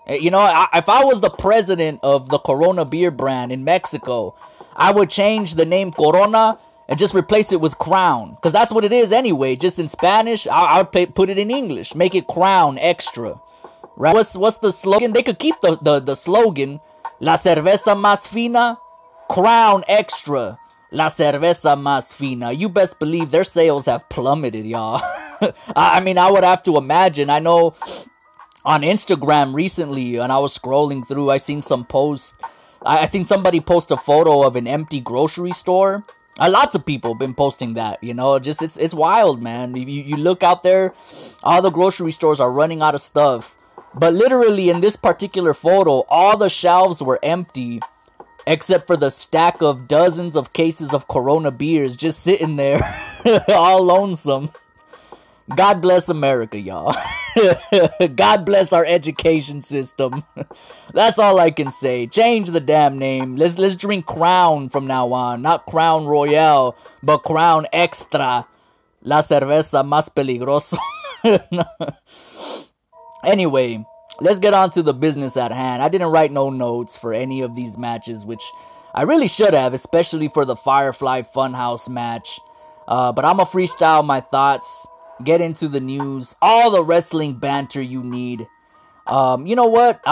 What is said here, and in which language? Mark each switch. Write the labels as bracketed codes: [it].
[en] You know, if I was the president of the Corona beer brand in Mexico, I would change the name Corona and just replace it with crown. Because that's what it is anyway. Just in Spanish, I would put it in English. Make it crown extra. Right? What's the slogan? They could keep the slogan. [es] La cerveza más fina, crown extra. La cerveza más fina. [en] You best believe their sales have plummeted, y'all. I mean, I would have to imagine. I know on Instagram recently, and I was scrolling through, I seen some posts. I seen somebody post a photo of an empty grocery store. Lots of people have been posting that, you know. Just it's wild, man. You look out there, all the grocery stores are running out of stuff. But literally, in this particular photo, all the shelves were empty, except for the stack of dozens of cases of Corona beers just sitting there, all lonesome. God bless America, y'all. God bless our education system. That's all I can say. Change the damn name. Let's drink Crown from now on. Not Crown Royale, but Crown Extra. [es] La cerveza más peligroso. [en] Anyway, let's get on to the business at hand. I didn't write no notes for any of these matches, which I really should have, especially for the Firefly Funhouse match. But I'm going to freestyle my thoughts. Get into the news, all the wrestling banter you need. You know what?